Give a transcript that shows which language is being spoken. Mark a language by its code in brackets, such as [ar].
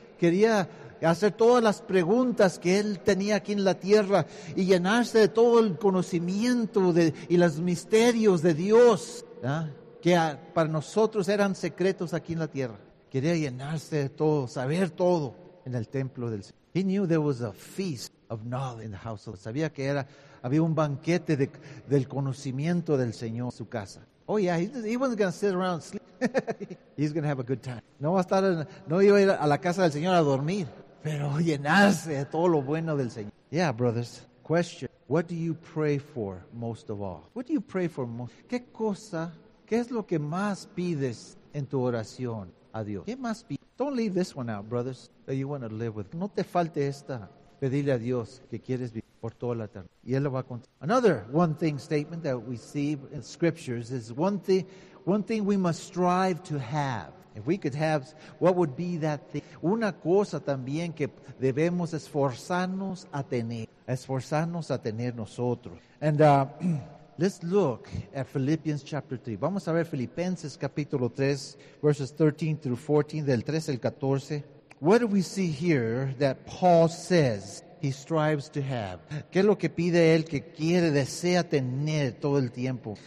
[es] Quería hacer todas las preguntas que él tenía aquí en la tierra y llenarse de todo el conocimiento y los misterios de Dios, ¿verdad? Que para nosotros eran secretos aquí en la tierra. Quería llenarse de todo, saber todo en el templo del Señor. [en] He knew there was a feast of knowledge in the house of the Lord. [es] Sabía que había un banquete del conocimiento del Señor en su casa. [en] Oh yeah, he wasn't going to sit around and sleep. He's going to have a good time. [es] No va a estar no iba a ir a la casa del Señor a dormir, pero llenarse de todo lo bueno del Señor. [en] Yeah, brothers, question. What do you pray for most of all? What do you pray for most? [es] ¿Qué cosa, qué es lo que más pides en tu oración a Dios? ¿Qué más pides? [en] Don't leave this one out, brothers, that you want to live with. [es] No te falte esta. Pedile a Dios que quieres vivir por toda la eternidad. Y él lo va a contar. [en] Another one thing statement that we see in scriptures is one thing we must strive to have. If we could have, what would be that thing? [es] Una cosa también que debemos esforzarnos a tener. Esforzarnos a tener nosotros. [en] And let's look at Philippians chapter 3. [es] Vamos a ver Filipenses capítulo 3, [en] verses 13 through 14, [es] del 13 al 14. [en] What do we see here that Paul says he strives to have? [es] ¿Qué es lo que pide él que quiere, desea tener todo el tiempo?